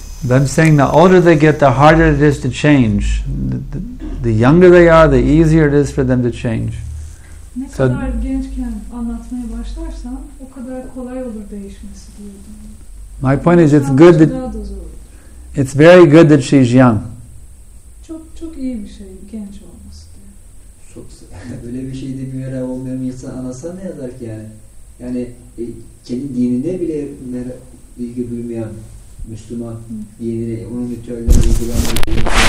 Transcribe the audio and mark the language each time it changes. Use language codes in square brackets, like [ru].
[en] I'm saying the older they get, the harder it is to change. The younger they are, the easier it is for them to change. [tr] Ne kadar gençken anlatmaya başlarsan, o kadar kolay olur değişmesi diyordum. [en] My point is, it's good that it's very good that she's young. [tr] Çok çok iyi bir şey genç olması diyor. Çok öyle bir şey de bir yere olmayan insan anasa ne yazar ki yani? Yani kendi dininde bile ilgi duymayan Müslüman dinine, onun ritüellerine ilgilenmiyor.